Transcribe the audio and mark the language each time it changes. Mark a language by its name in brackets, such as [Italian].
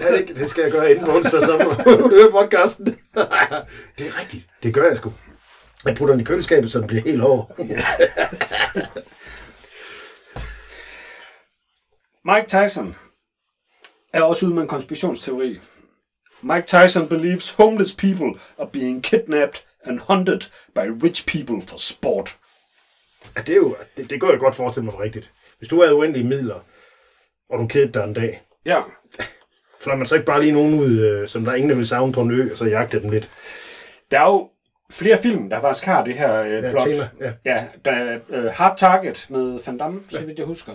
[Danish] Ja, det skal jeg gøre inden onsdag sammen, og du hører podcasten. Det er rigtigt, det gør jeg sgu. Jeg putter den i køleskabet, så den bliver helt hård. Mike Tyson er også ude med en konspirationsteori. [English] Mike Tyson believes homeless people are being kidnapped and hunted by rich people for sport. [Danish] Ja, det er jo, det går jeg godt forestille mig rigtigt. Hvis du havde uendelige midler, og du kædte dig en dag, ja. Flår man så ikke bare lige nogen ud, som der ingen vil savne på en ø, og så jagte dem lidt? Der er jo flere film, der faktisk har det her plot. Tema. Ja, der er Hard Target med Van Damme, så vidt jeg husker.